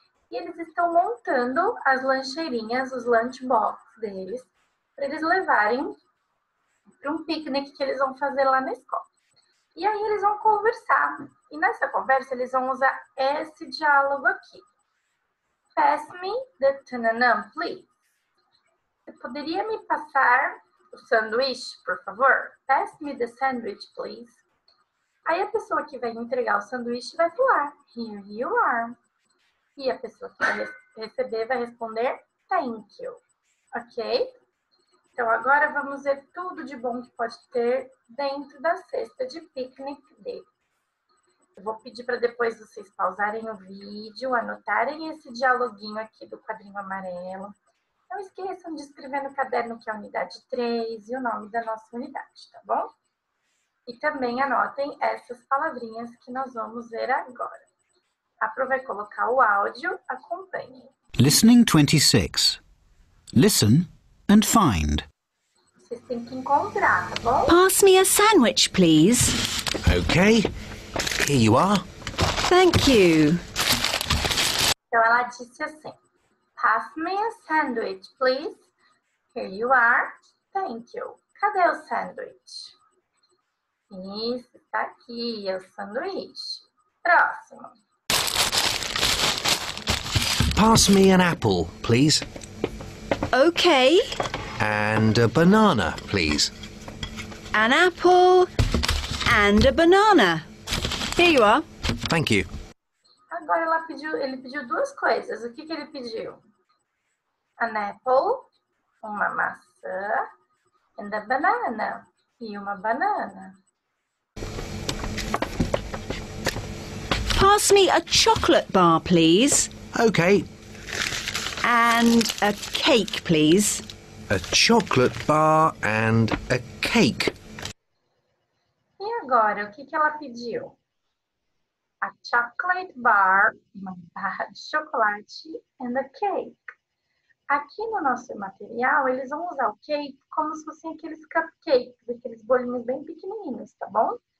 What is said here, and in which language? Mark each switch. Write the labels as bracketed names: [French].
[Portuguese] E eles estão montando as lancheirinhas, os lunchbox deles, para eles levarem para um picnic que eles vão fazer lá na escola. E aí eles vão conversar. E nessa conversa, eles vão usar esse diálogo aqui. [English] Pass me the tananam, please. [Portuguese] Você poderia me passar o sanduíche, por favor? [English] Pass me the sandwich, please. [Portuguese] Aí a pessoa que vai entregar o sanduíche vai falar, [English] here you are. [Portuguese] E a pessoa que vai receber vai responder, [English] thank you. [Portuguese] Ok? Então agora vamos ver tudo de bom que pode ter dentro da cesta de picnic dele. Eu vou pedir para depois vocês pausarem o vídeo, anotarem esse dialoguinho aqui do quadrinho amarelo. Não esqueçam de escrever no caderno que é a unidade 3 e o nome da nossa unidade, tá bom? E também anotem essas palavrinhas que nós vamos ver agora. A Pro vai colocar o áudio, acompanhem. [English] Listening 26. Listen and find. [Portuguese] Vocês têm que encontrar, tá bom? [English] Pass me a sandwich, please. Okay. Here you are. Thank you. [Portuguese] Então ela disse assim, [English] pass me a sandwich, please. Here you are. Thank you. [Portuguese] Cadê o sandwich? Isso, tá aqui, é o sanduíche. Próximo. [English] Pass me an apple, please. Okay. And a banana, please. An apple and a banana. Here you are. Thank you. [Portuguese] Agora ele pediu duas coisas. O que que ele pediu? [English] An apple, [Portuguese] uma maçã, [English] and a banana, [Portuguese] e uma banana. [English] Pass me a chocolate bar, please. Okay. And a cake, please. A chocolate bar and a cake. [Portuguese] E agora, o que que ela pediu? [English] A chocolate bar, [Portuguese] uma barra de chocolate, [English] and a cake. [Portuguese] Aqui no nosso material, eles vão usar o cake como se fossem aqueles cupcakes, aqueles bolinhos bem pequenininhos, tá bom?